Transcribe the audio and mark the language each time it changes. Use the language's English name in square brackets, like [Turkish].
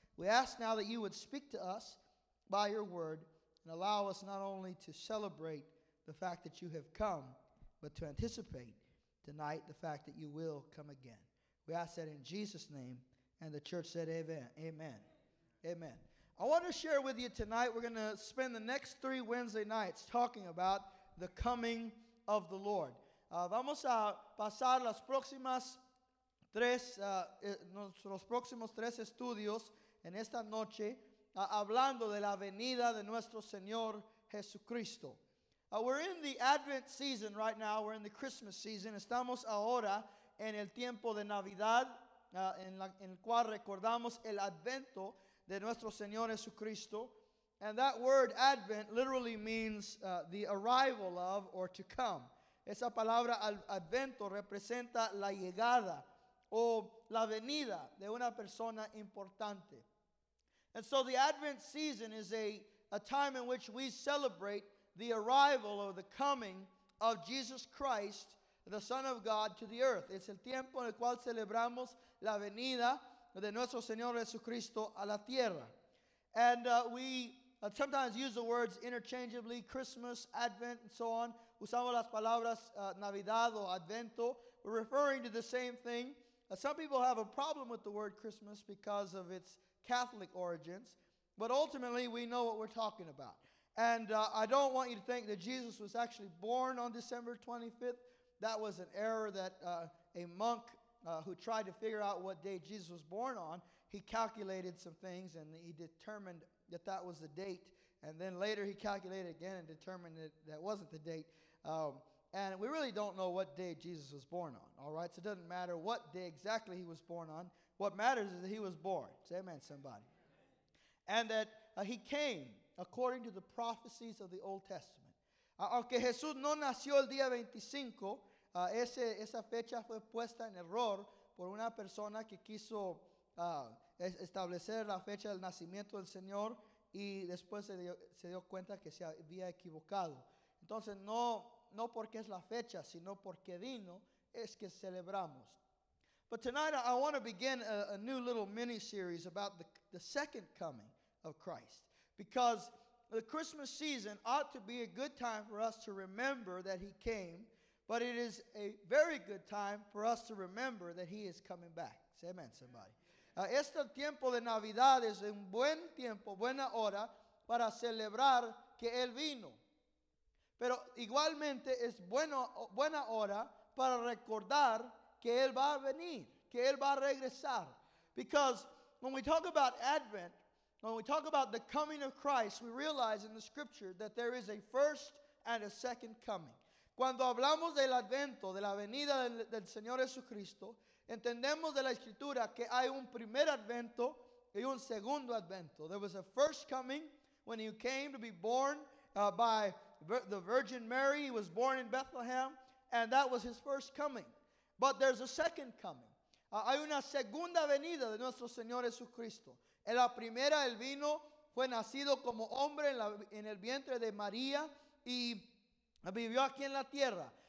[English] We ask now that you would speak to us by your word and allow us not only to celebrate the fact that you have come, but to anticipate tonight the fact that you will come again. We ask that in Jesus' name, and the church said amen. Amen. Amen. I want to share with you tonight, we're going to spend the next three Wednesday nights talking about the coming of the Lord. [Spanish] Vamos a pasar las próximas tres, nuestros próximos tres estudios en esta noche, hablando de la venida de nuestro Señor Jesucristo. [English] We're in the Advent season right now. We're in the Christmas season. [Spanish] Estamos ahora en el tiempo de Navidad, en el cual recordamos el Advento de nuestro Señor Jesucristo. [English] And that word Advent literally means the arrival of or to come. [Spanish] Esa palabra Advento representa la llegada o la venida de una persona importante. [English] And so the Advent season is a time in which we celebrate the arrival or the coming of Jesus Christ, the Son of God, to the earth. [Spanish] Es el tiempo en el cual celebramos la venida de nuestro Señor Jesucristo a la tierra. [English] And we sometimes use the words interchangeably, Christmas, Advent, and so on. [Spanish] Usamos las palabras Navidad o Advento. [English] We're referring to the same thing. Some people have a problem with the word Christmas because of its Catholic origins. But ultimately, we know what we're talking about. And I don't want you to think that Jesus was actually born on December 25th. That was an error that a monk who tried to figure out what day Jesus was born on, he calculated some things and he determined that that was the date. And then later he calculated again and determined that that wasn't the date. And we really don't know what day Jesus was born on, all right? So it doesn't matter what day exactly he was born on. What matters is that he was born. Say amen, somebody. And that he came according to the prophecies of the Old Testament. [Spanish] Aunque Jesús no nació el día 25, esa fecha fue puesta en error por una persona que quiso establecer la fecha del nacimiento del Señor y después se dio cuenta que se había equivocado. Entonces, no porque es la fecha, sino porque vino, es que celebramos. [English] But tonight I want to begin a new little mini-series about the second coming of Christ. Because the Christmas season ought to be a good time for us to remember that he came, but it is a very good time for us to remember that he is coming back. Say amen, somebody. [Spanish] Este tiempo de Navidad es un buen tiempo, buena hora, para celebrar que él vino. Pero igualmente es buena hora para recordar que él va a venir, que él va a regresar. [English] Because when we talk about Advent, when we talk about the coming of Christ, we realize in the scripture that there is a first and a second coming. [Spanish] Cuando hablamos del Advento, de la venida del Señor Jesucristo, entendemos de la escritura que hay un primer Advento y un segundo Advento. [English] There was a first coming when he came to be born by the Virgin Mary. He was born in Bethlehem, and that was his first coming. But there's a second coming. [Spanish] Hay una segunda venida de nuestro Señor Jesucristo. En la primera, él vino, fue nacido como hombre en el vientre de María y vivió aquí en la tierra.